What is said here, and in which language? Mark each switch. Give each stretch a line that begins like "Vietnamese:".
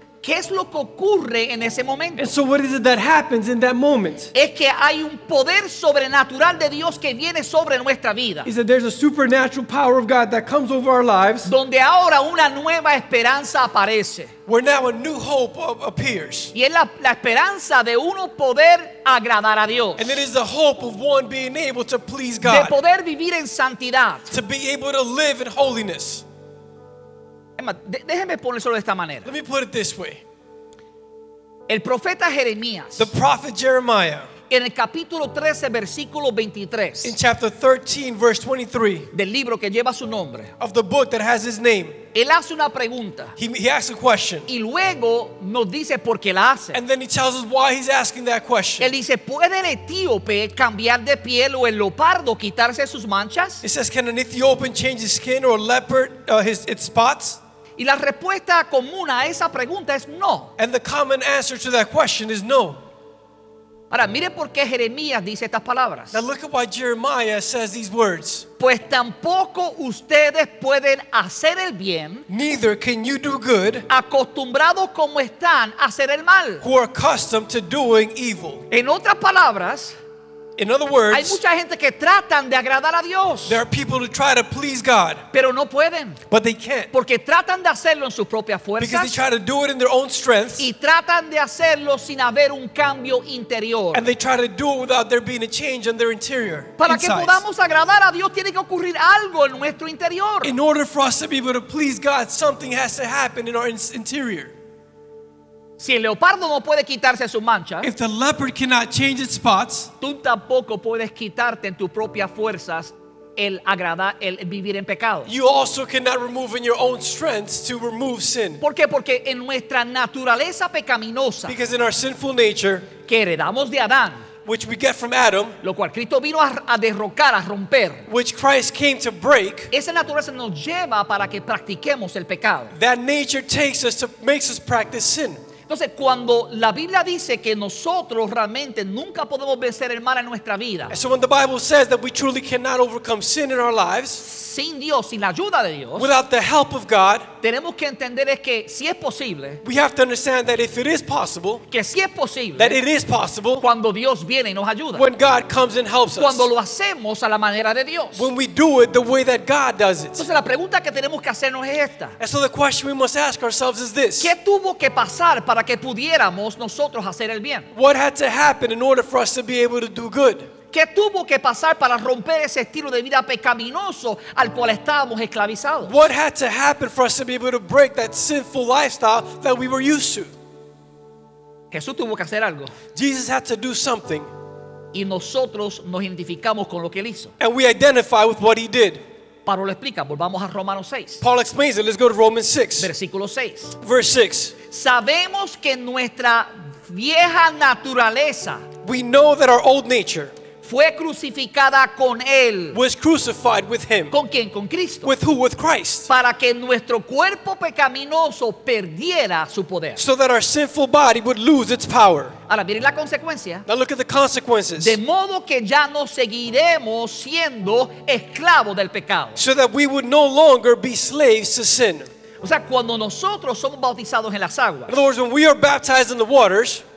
Spanish: ¿Qué es lo que ocurre en ese momento?
English: And so what is it that happens in that moment?
Spanish: Es que hay un poder sobrenatural de Dios que viene sobre nuestra vida.
English: Is that there's a supernatural power of God that comes over our lives.
Spanish: Donde ahora una nueva esperanza aparece.
English: Where now a new hope appears.
Spanish: Y es la esperanza de uno poder agradar a Dios.
English: And it is the hope of one being able to please God.
Spanish: De poder vivir en santidad.
English: To be able to live in holiness.
Spanish: Déjeme ponerlo de esta manera.
English: Let me put it this way.
Spanish: El profeta Jeremías.
English: The prophet Jeremiah.
Spanish: En el capítulo 13, versículo 23.
English: In chapter 13, verse 23.
Spanish: Del libro que lleva su nombre.
English: Of the book that has his name.
Spanish: Él hace una pregunta.
English: He asks a question.
Spanish: Y luego nos dice por qué la hace.
English: And then he tells us why he's asking that question.
Spanish: Él dice, ¿puede el etíope cambiar de piel o el leopardo quitarse sus manchas?
English: It says, can an Ethiopian change his skin or a leopard its spots?
Spanish: Y la respuesta común a esa pregunta es no.
English: And the common answer to that question is no.
Spanish: Ahora mire por qué Jeremías dice estas palabras.
English: Now look at why Jeremiah says these words.
Spanish: Pues tampoco ustedes pueden hacer el bien.
English: Neither can you do good.
Spanish: Acostumbrados como están a hacer el mal.
English: Who are accustomed to doing evil.
Spanish: En otras palabras.
English: In other words.
Spanish: Hay mucha gente que tratan de agradar a Dios.
English: There are people who try to please God.
Spanish: Pero no pueden.
English: But they can't.
Spanish: Porque tratan de hacerlo en sus propias fuerzas.
English: Because they try to do it in their own strength.
Spanish: Y tratan de hacerlo sin haber un cambio interior.
English: And they try to do it without there being a change in their interior.
Spanish: Para que podamos agradar a Dios tiene que ocurrir algo en nuestro interior.
English: In order for us to be able to please God, something has to happen in our interior.
Spanish: Si el leopardo no puede quitarse sus manchas,
English: if the leopard cannot change its spots,
Spanish: tú tampoco puedes quitarte en tus propias fuerzas el agradar, el vivir en pecado.
English: You also cannot remove in your own strength to remove sin.
Spanish: ¿Por qué? Porque en nuestra naturaleza pecaminosa,
English: because in our sinful nature,
Spanish: que heredamos de Adán,
English: which we get from Adam,
Spanish: lo cual Cristo vino a derrocar, a romper,
English: which Christ came to break,
Spanish: esa naturaleza nos lleva para que practiquemos el pecado.
English: That nature takes us to makes us practice sin.
Spanish: Entonces, cuando la Biblia dice que nosotros realmente nunca podemos vencer el mal en nuestra vida,
English: so when the Bible says that we truly cannot overcome sin in our lives,
Spanish: sin Dios, sin la ayuda de Dios,
English: without the help of God,
Spanish: tenemos que entender es que si es posible,
English: we have to understand that if it is possible,
Spanish: que si es posible,
English: that it is possible,
Spanish: cuando Dios viene y nos ayuda,
English: when God comes and helps us,
Spanish: cuando lo hacemos a la manera de Dios,
English: when we do it the way that God does it.
Spanish: Entonces la pregunta que tenemos que hacernos es esta.
English: And so the question we must ask ourselves is this.
Spanish: ¿Qué tuvo que pasar para que pudiéramos nosotros hacer el bien?
English: What had to happen in order for us to be able to do good?
Spanish: ¿Qué tuvo que pasar para romper ese estilo de vida pecaminoso al cual estábamos esclavizados?
English: What had to happen for us to be able to break that sinful lifestyle that we were used to?
Spanish: Jesús tuvo que hacer algo.
English: Jesus had to do something.
Spanish: Y nosotros nos identificamos con lo que él hizo.
English: And we identify with what he did.
Spanish: Pablo lo explica. Volvamos a Romanos 6.
English: Paul explains it. Let's go to Romans 6.
Spanish: Versículo 6.
English: Verse 6.
Spanish: Sabemos que nuestra vieja naturaleza,
English: we know that our old nature,
Spanish: fue crucificada con él.
English: Was crucified with him.
Spanish: ¿Con quién? Con Cristo.
English: With who? With Christ.
Spanish: Para que nuestro cuerpo pecaminoso perdiera su poder.
English: So that our sinful body would lose its power.
Spanish: Ahora miren la consecuencia.
English: Now look at the consequences.
Spanish: De modo que ya no seguiremos siendo esclavos del pecado.
English: So that we would no longer be slaves to sin.
Spanish: O sea, cuando nosotros somos bautizados en las aguas.
English: In other words, when we are baptized in the waters,